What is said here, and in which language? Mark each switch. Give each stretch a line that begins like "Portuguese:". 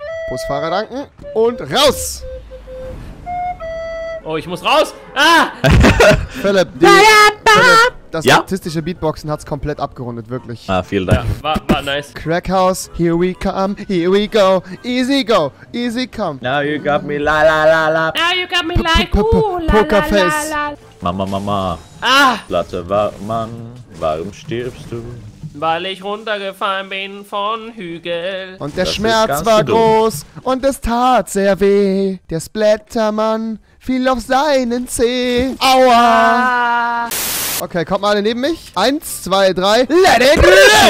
German: Busfahrer danken und raus! Oh, ich muss raus! Ah! Philipp, das ja? Statistische Beatboxen hat's komplett abgerundet, wirklich. Ah, vielen Dank. Ja, war nice.
English: Crackhaus, here we come, here we go, easy come. Now you got me la la la la. Now you got me like, Pokerface.
German: Mama. Ah! Platte Mann, warum stirbst du? Weil ich runtergefallen bin von Hügel. Und der Schmerz war groß und es tat sehr weh. Der Splattermann fiel auf seinen Zeh. Aua! Okay, kommt mal alle neben mich. 1, 2, 3,
English: let it rip!